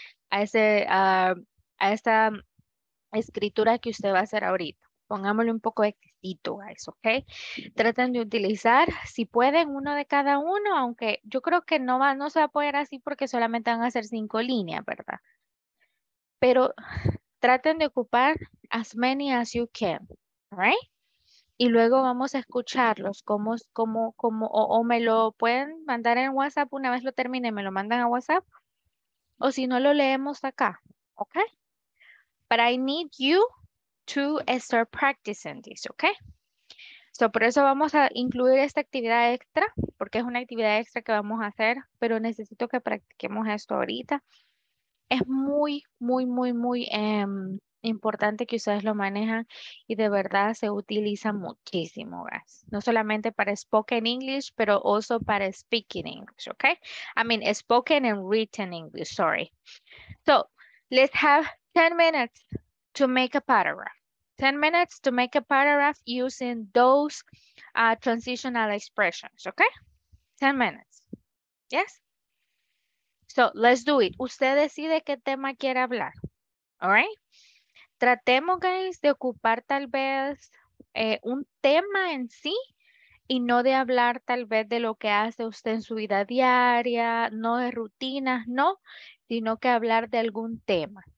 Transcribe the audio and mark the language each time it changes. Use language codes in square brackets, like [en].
[es] A esta escritura que usted va a hacer ahorita. Pongámosle un poco de quesito a eso. ¿Ok? Traten de utilizar, si pueden, uno de cada uno, aunque yo creo que no se va a poder así porque solamente van a hacer 5 líneas, ¿verdad? Pero traten de ocupar [en] as many as you can, ¿right? [es] Y luego vamos a escucharlos, cómo, o me lo pueden mandar en WhatsApp una vez lo termine, me lo mandan a WhatsApp, o si no lo leemos acá, ¿ok? [en] But I need you to start practicing this, okay? [es] So, por eso vamos a incluir esta actividad extra, porque es una actividad extra que vamos a hacer, pero necesito que practiquemos esto ahorita. Es muy, muy, muy, muy importante que ustedes lo manejan y de verdad se utiliza muchísimo, guys. No solamente para [en] spoken English, [es] pero [en] also para speaking English, okay? Spoken and written English, sorry. So, let's have 10 minutes to make a paragraph. 10 minutes to make a paragraph using those transitional expressions, okay? 10 minutes, yes? So let's do it. [es] Usted decide qué tema quiere hablar, [en] all right? [es] Tratemos, guys, de ocupar tal vez un tema en sí y no de hablar tal vez de lo que hace usted en su vida diaria, no de rutinas, no, sino que hablar de algún tema.